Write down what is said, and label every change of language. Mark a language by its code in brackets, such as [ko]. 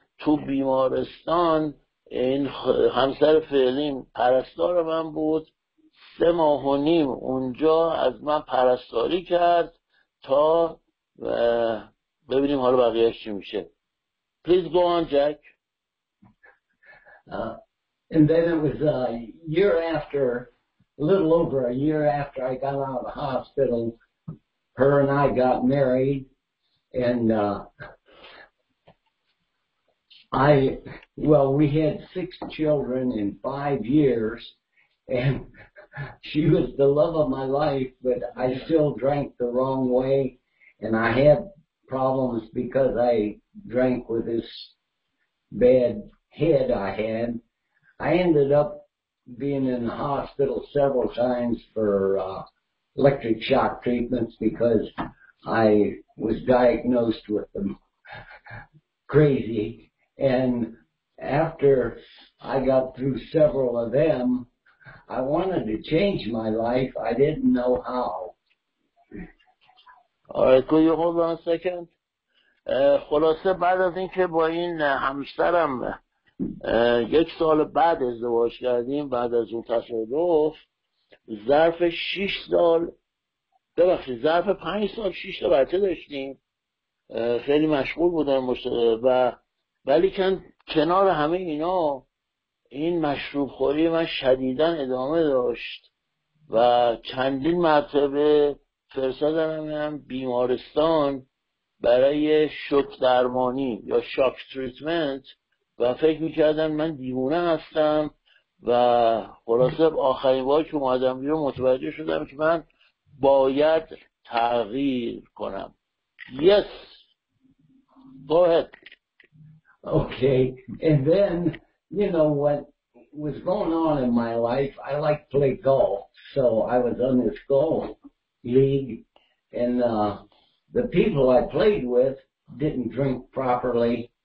[fa] تو بیمارستان این همسر فعلیم پرستار من بود، 3.5 ماه اونجا از من پرستاری کرد تا ببینیم حالا بقیه چی میشه. [en] Please go on, Jack. And then it was a year after, a little over a year after I got out of the hospital, her and I got married, and we had 6 children in 5 years, and she was the love of my life, but I still drank the wrong way, and I had problems because I drank with this bad head I had. I ended up being in the hospital several times for electric shock treatments because I was diagnosed with them crazy. And after I got through several of them, I wanted to change my life. I didn't know how. All right, could you hold on a second? [fa] خلاصه بعد از اینکه با این همسرم یک سال بعد ازدواج کردیم بعد از اون تصادف، ظرف 6 سال ببخشید ظرف 5 سال 6 تا بچه داشتیم. خیلی مشغول بودم و ولیکن کنار همه اینا این مشروب خوری من شدیداً ادامه داشت و چندین مرتبه فرستادم هم بیمارستان برای شوک درمانی یا شاک تریتمنت و فکر میکردن من دیوونه هستم و خلاصه آخرین بار که اومدم بیرون متوجه شدم که من باید تغییر کنم. [en] Yes. Go ahead. Okay. And then, you know, what was going on in my life, I like to play golf. So I was on this golf league and the people I played with didn't drink properly.